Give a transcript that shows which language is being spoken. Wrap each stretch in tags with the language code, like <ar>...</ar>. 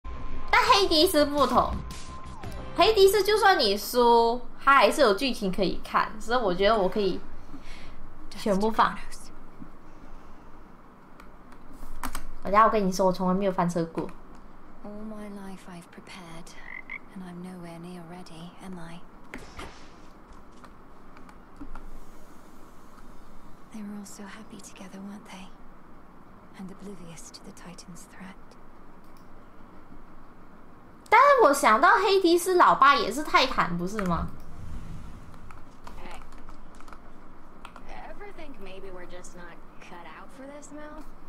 <zh>黑迪斯不同，黑迪斯就算你输，他还是有剧情可以看，所以我觉得我可以全部放。我家，我跟你说，我从来没有翻车过。</zh> <en>All my life I've prepared, and I'm nowhere near ready, am I? They were all so happy together, weren't they? And oblivious to the Titan's threat.</en> <zh>但是我想到黑迪斯老爸也是泰坦，不是吗？</zh> <en>Hey. Ever think maybe we're just not cut out for this, Mel?</en>